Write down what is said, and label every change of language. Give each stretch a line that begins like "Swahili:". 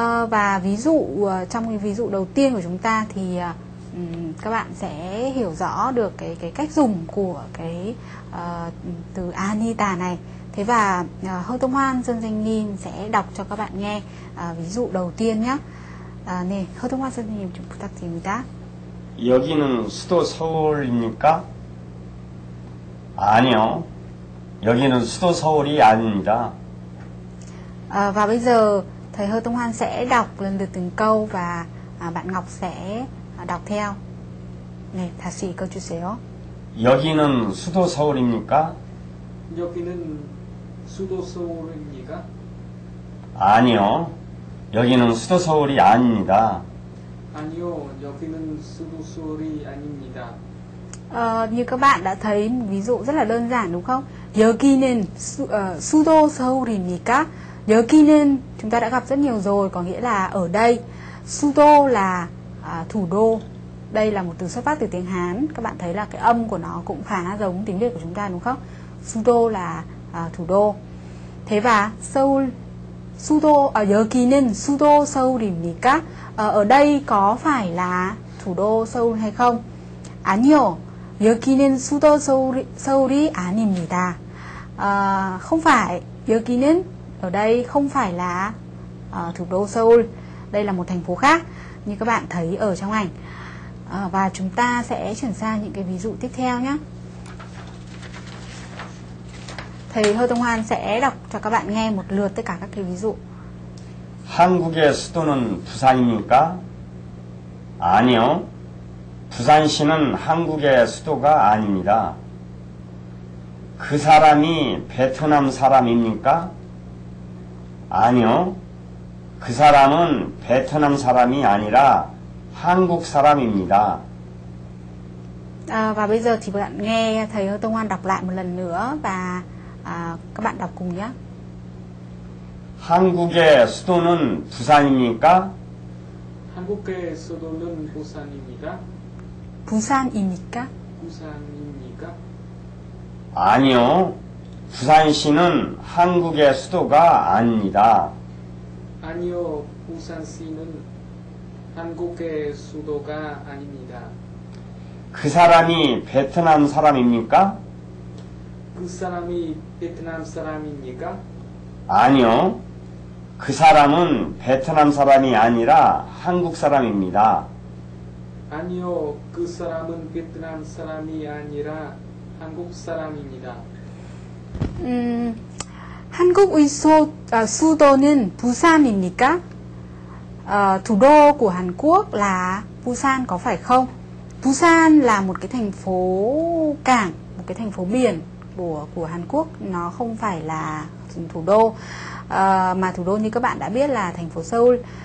Vietnamese: Và ví dụ trong cái ví dụ đầu tiên của chúng ta thì các bạn sẽ hiểu rõ được cái cách dùng của cái từ anita này. Thế và Hơ Tông Hoan, Dân Danh Nhìn sẽ đọc cho các bạn nghe ví dụ đầu tiên nhé. Nè, Hơ Tông Hoan, Dân Danh Nhìn, chúng ta tìm ra.
Korean: 여기는 수도 서울입니까? 아니요. 여기는 수도 서울이 아닙니다.
Vietnamese: Và bây giờ thầy Hơ Tông Hoan sẽ đọc lần lượt từng câu và bạn Ngọc sẽ đọc theo.
Korean: 네, 다시 읽어주세요. 여기는 수도 서울입니까? 여기는 수도 서울입니까? 아니요. 여기는 수도 서울이 아닙니다. 아니요. 여기는 수도 서울이 아닙니다.
Vietnamese: Như các bạn đã thấy ví dụ rất là đơn giản đúng không?
Korean: 여기는 수도 서울입니까?
Vietnamese: 여기는 chúng ta đã gặp rất nhiều rồi, có nghĩa là ở đây. 수도 là thủ đô. Đây là một từ xuất phát từ tiếng Hán. Các bạn thấy là cái âm của nó cũng khá giống tiếng Việt của chúng ta đúng không? 수도 là thủ đô. Thế và
Korean: 서울 수도 여기는 수도 서울입니까?
Vietnamese: Ở đây có phải là thủ đô Seoul hay không?
Korean: 아니요. 여기는 수도 서울이 아닙니다.
Vietnamese: Không phải. 여기는 ở đây không phải là thủ đô Seoul. Đây là một thành phố khác như các bạn thấy ở trong ảnh. Và chúng ta sẽ chuyển sang những cái ví dụ tiếp theo nhé. Thầy Hơ Tông Hoan sẽ đọc cho các bạn nghe một lượt tất cả các cái ví dụ.
Korean: 한국의 수도는 부산입니까? 아니요. 부산시는 한국의 수도가 아닙니다. 그 사람이 베트남 사람입니까? 아니요. 그 사람은 베트남 사람이 아니라 한국 사람입니다. Và bây giờ thì bạn nghe thầy Hơ Tông Hoan đọc lại một lần nữa và các bạn đọc cùng nhé. 한국의 수도는 부산입니까? 한국의 수도는 부산입니다. 부산입니까? 부산입니까? 아니요. 부산시는 한국의 수도가 아닙니다. 아니요. 부산시는 한국의 수도가 아닙니다. 그 사람이 베트남 사람입니까? 그 사람이 베트남 사람입니까? 아니요. 그 사람은 베트남 사람이 아니라 한국 사람입니다. 아니요. 그 사람은 베트남 사람이 아니라 한국 사람입니다. 한국의 수도는 부산입니까?
Vietnamese: Thủ đô của Hàn Quốc là Busan có phải không? Busan là một cái thành phố cảng, một cái thành phố biển của Hàn Quốc. Nó không phải là thủ đô, mà thủ đô như các bạn đã biết là thành phố Seoul.